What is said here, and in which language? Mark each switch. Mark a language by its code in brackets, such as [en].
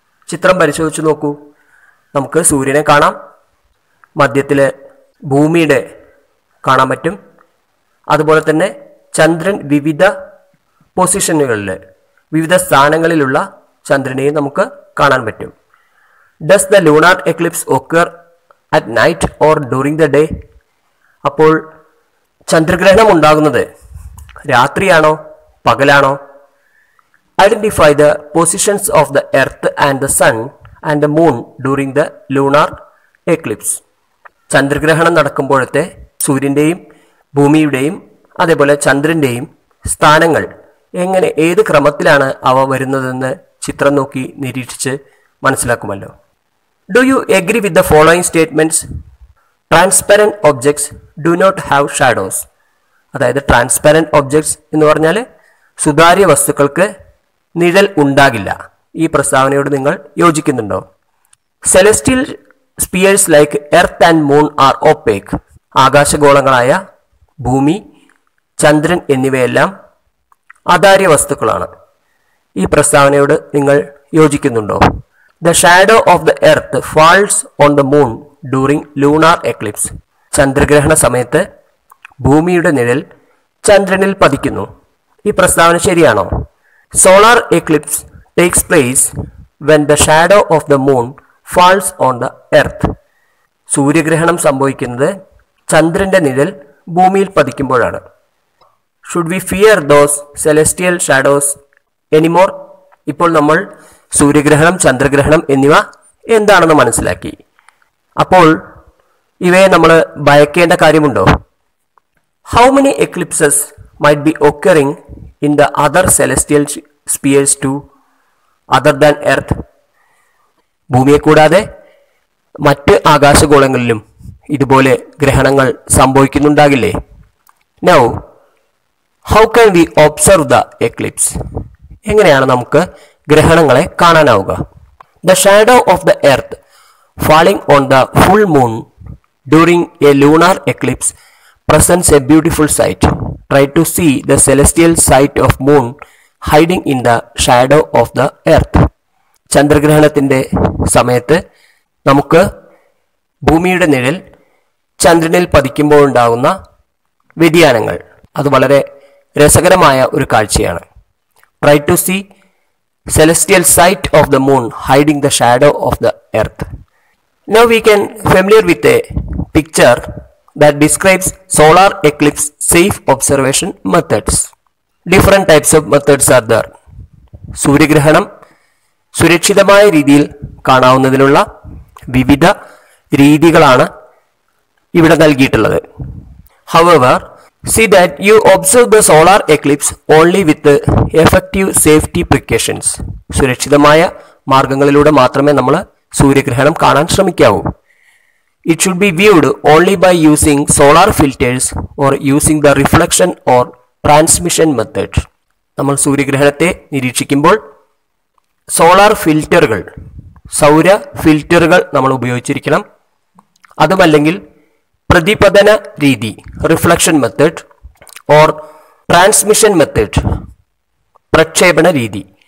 [ml] ചിത്രം പരിശോധിച്ച് നോക്കൂ. നമുക്ക് സൂര്യനെ കാണാം, മധ്യത്തിൽ ഭൂമിയുടെ കാണാൻ പറ്റും, അതുപോലെ തന്നെ ചന്ദ്രൻ വിവിധ പൊസിഷനുകളിൽ വിവിധ സ്ഥാനങ്ങളിലുള്ള ചന്ദ്രനെയും നമുക്ക് കാണാൻ പറ്റും. [en] Does the lunar eclipse occur at night or during the day? [ml] അപ്പോൾ ചന്ദ്രഗ്രഹണം ഉണ്ടാകുന്നത് രാത്രിയാണോ പകലാണോ? [en] Identify the positions of the earth and the sun and the moon during the lunar eclipse. [ml] ചന്ദ്രഗ്രഹണം നടക്കുമ്പോഴത്തെ സൂര്യൻ്റെയും ഭൂമിയുടെയും അതേപോലെ ചന്ദ്രൻ്റെയും സ്ഥാനങ്ങൾ എങ്ങനെ, ഏത് ക്രമത്തിലാണ് അവ വരുന്നതെന്ന് ചിത്രം നോക്കി നിരീക്ഷിച്ച് മനസ്സിലാക്കുമല്ലോ. [en] Do you agree with the following statements? Transparent objects do not have shadows. [ml] അതായത് ട്രാൻസ്പെറൻറ്റ് ഒബ്ജക്ട്സ് എന്ന് പറഞ്ഞാൽ സുതാര്യ വസ്തുക്കൾക്ക് നിഴൽ ഉണ്ടാകില്ല. ഈ പ്രസ്താവനയോട് നിങ്ങൾ യോജിക്കുന്നുണ്ടോ? [en] Celestial spheres like earth and moon are opaque. [ml] ആകാശഗോളങ്ങളായ ഭൂമി, ചന്ദ്രൻ എന്നിവയെല്ലാം അതാര്യ വസ്തുക്കളാണ്. ഈ പ്രസ്താവനയോട് നിങ്ങൾ യോജിക്കുന്നുണ്ടോ? [en] The shadow of the earth falls on the moon during lunar eclipse. [ml] ചന്ദ്രഗ്രഹണ സമയത്ത് ഭൂമിയുടെ നിഴൽ ചന്ദ്രനിൽ പതിക്കുന്നു. ഈ പ്രസ്താവന ശരിയാണോ? [en] Solar eclipse takes place when the shadow of the moon falls on the earth. [ml] സൂര്യഗ്രഹണം സംഭവിക്കുന്നത് ചന്ദ്രന്റെ നിഴൽ ഭൂമിയിൽ പതിക്കുമ്പോഴാണ്. [en] Should we fear those celestial shadows anymore? [ml] ഇപ്പോൾ നമ്മൾ സൂര്യഗ്രഹണം, ചന്ദ്രഗ്രഹണം എന്നിവ എന്താണെന്ന് മനസ്സിലാക്കി. അപ്പോൾ ഇവയെ നമ്മൾ ഭയക്കേണ്ട കാര്യമുണ്ടോ? [en] How many eclipses might be occurring in the other celestial spheres too, other than Earth? [ml] ഭൂമിയെ കൂടാതെ മറ്റ് ആകാശഗോളങ്ങളിലും ഇതുപോലെ ഗ്രഹണങ്ങൾ സംഭവിക്കുന്നുണ്ടാകില്ലേ? [en] Now, how can we observe the eclipse? [ml] എങ്ങനെയാണ് നമുക്ക് ഗ്രഹണങ്ങളെ കാണാനാവുക? [en] The shadow of the Earth falling on the full moon during a lunar eclipse presents a beautiful sight. Try to see the celestial sight of moon hiding in the shadow of the earth. [ml] ചന്ദ്രഗ്രഹണത്തിൻ്റെ സമയത്ത് നമുക്ക് ഭൂമിയുടെ നിഴൽ ചന്ദ്രനിൽ പതിക്കുമ്പോഴുണ്ടാകുന്ന വ്യതിയാനങ്ങൾ, അത് വളരെ രസകരമായ ഒരു കാഴ്ചയാണ്. [en] Try to see celestial sight of the moon hiding the shadow of the earth. Now we can familiar with a picture that describes solar eclipse safe observation methods. Different types of methods are there. [ml] സൂര്യഗ്രഹണം സുരക്ഷിതമായ രീതിയിൽ കാണാവുന്നതിനുള്ള വിവിധ രീതികളാണ് ഇവിടെ നൽകിയിട്ടുള്ളത്. [en] However, see that you observe the solar eclipse only with effective safety precautions. [ml] സുരക്ഷിതമായ മാർഗങ്ങളിലൂടെ മാത്രമേ നമ്മൾ സൂര്യഗ്രഹണം കാണാൻ ശ്രമിക്കാവൂ. [en] It should be viewed only by using solar filters or using the reflection or transmission method. [ml] നമ്മൾ സൂര്യഗ്രഹണത്തെ നിരീക്ഷിക്കുമ്പോൾ സോളാർ ഫിൽറ്ററുകൾ, സൗര ഫിൽറ്ററുകൾ നമ്മൾ ഉപയോഗിച്ചിരിക്കണം. അതുമല്ലെങ്കിൽ പ്രതിപതന രീതി, [en] reflection method, or transmission method, [ml] പ്രക്ഷേപണ രീതി.